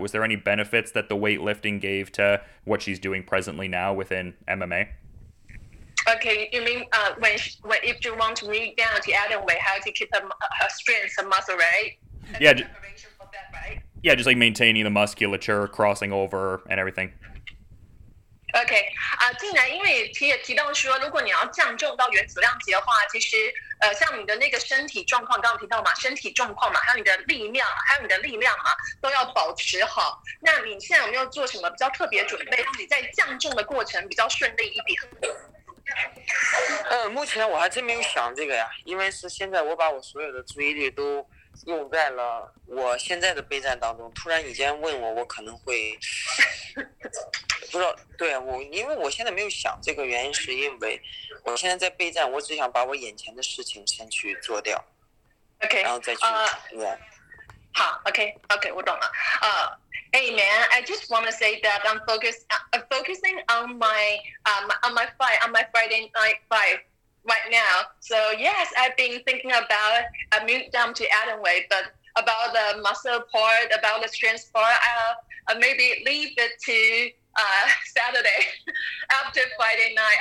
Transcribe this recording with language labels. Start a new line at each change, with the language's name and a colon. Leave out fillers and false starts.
English: Was there any benefits that the weightlifting gave to what she's doing presently now within MMA? Okay, you mean if you want to move down to atomweight, how to keep her strength and muscle, right? Yeah, just like maintaining the musculature, crossing over and everything. Okay,
Chinese: 进来，因为你也提到说，如果你要降重到原子量级的话，其实像你的那个身体状况，刚刚提到嘛，身体状况嘛，还有你的力量，啊，都要保持好。那你现在有没有做什么比较特别准备，让你在降重的过程比较顺利一点？目前我还真没有想这个呀，因为是现在我把我所有的注意力都用在了我现在的备战当中。突然你先问我，我可能会不知道。对，我因为我现在没有想这个，原因是因为我现在在备战，我只想把我眼前的事情先去做掉。
English: OK，
Chinese: 然后再去练。好 ，OK，OK， 我懂了。
English: Hey man, I just want to say that I'm focusing on my Friday night fight right now. So yes, I've been thinking about a move down to Adam weight, but about the muscle part, about the strength part, I'll maybe leave it to Saturday after Friday night.